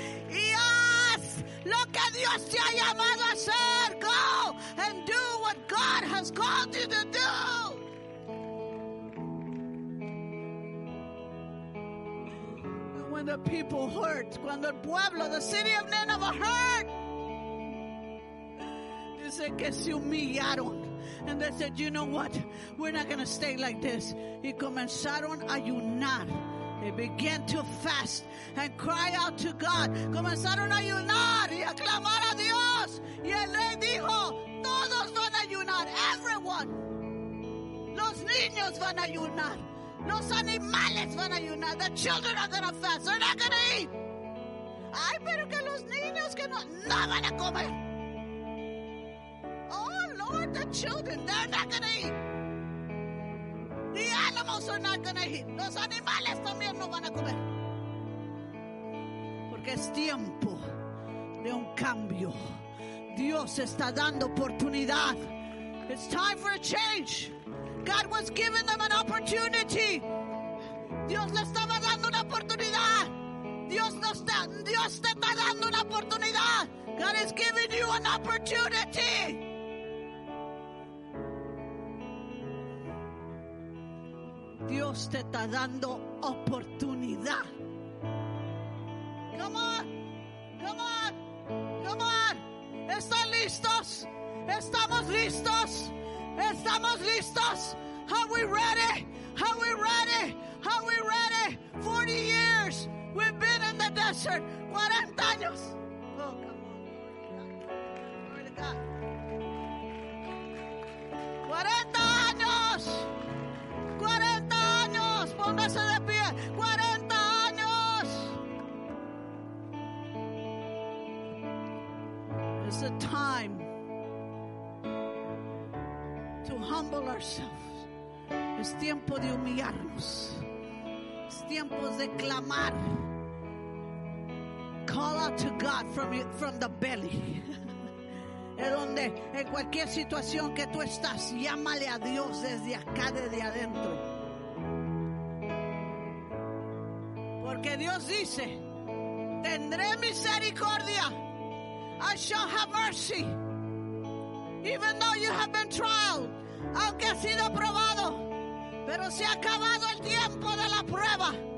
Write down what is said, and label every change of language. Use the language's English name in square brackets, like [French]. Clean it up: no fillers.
[Spanish] Y haz lo que Dios te ha llamado a hacer. [English] Go and do what God has called you to do. And when the people heard, [Spanish] cuando el pueblo, [English] the city of Nineveh heard, [Spanish] dice que se humillaron. [English] And they said, you know what? We're not going to stay like this. [Spanish] Y comenzaron a ayunar. [English] They began to fast and cry out to God. [Spanish] Comenzaron a ayunar y a clamar a Dios. Y el rey dijo, todos van a ayunar, [English] everyone. [Spanish] Los niños van a ayunar. Los animales van a ayunar. [English] The children are going to fast. They're not going to eat. [Spanish] Ay, pero que los niños que no, no van a comer. [English] Oh, Lord, the children, they're not going to eat. The animals are not going to eat. [Spanish] Los animales también no van a comer. Porque es tiempo de un cambio. Dios está dando oportunidad. [English] It's time for a change. God was giving them an opportunity. [Spanish] Dios le estaba dando una oportunidad. Dios te está dando una oportunidad. [English] God has given you an opportunity. [Spanish] Dios te está dando oportunidad. [English] Come on, come on, come on. [Spanish] ¿Están listos? ¿Estamos listos? ¿Estamos listos? [English] Are we ready? Are we ready? Are we ready? 40 years we've been in the desert. [Spanish] 40 años. [English] Oh, come on. Glory to God. [Spanish] 40 años. 40 años. Póngase de pie. 40 años. [English] It's a time to humble ourselves. [Spanish] Es tiempo de humillarnos. Es tiempo de clamar. [English] Call out to God from the belly. [Spanish] Es donde, en cualquier situación que tú estás, llámale a Dios desde acá, desde adentro. Porque Dios dice, tendré misericordia. [English] I shall have mercy. Even though you have been trialed, [Spanish] aunque ha sido probado, pero se ha acabado el tiempo de la prueba.